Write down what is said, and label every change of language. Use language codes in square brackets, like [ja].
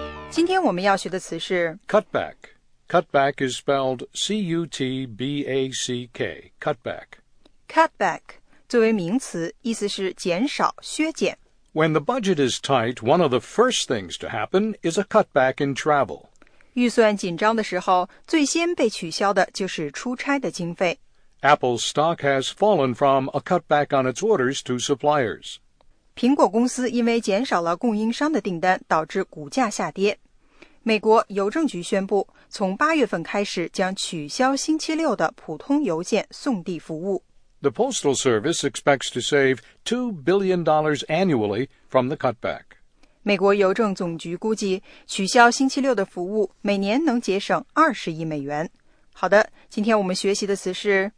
[zh] 今天我们要学的词是 [en] cutback. Cutback is spelled C-U-T-B-A-C-K, cutback. [zh] Cutback, 作为名词,意思是减少,削减。 [en] When the budget is tight, one of the first things to happen is a cutback in travel. [zh] 预算紧张的时候,最先被取消的就是出差的经费。 [en] Apple's stock has fallen from a cutback on its orders to suppliers. [zh] 苹果公司因为减少了供应商的订单,导致股价下跌。美国邮政局宣布，从八月份开始将取消星期六的普通邮件送递服务。 [en] The Postal Service expects to save $2 billion annually from the cutback. [zh] 美国邮政总局估计，取消星期六的服务每年能节省20亿美元。好的，今天我们学习的词是